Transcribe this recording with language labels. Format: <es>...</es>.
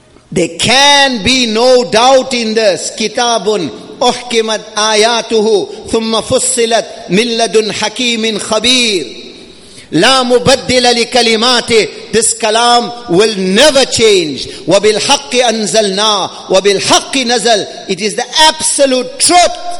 <en>There can be no doubt in this.</en> <ar>Kitabun uhkimat ayatuhu thumma fussilat min ladun hakimin khabir. لا مبدل لكلماته.</ar> <en>This kalam will never change.</en> <ar>وبالحق أنزلنا وبالحق نزل.</ar> <en>It is the absolute truth.</en>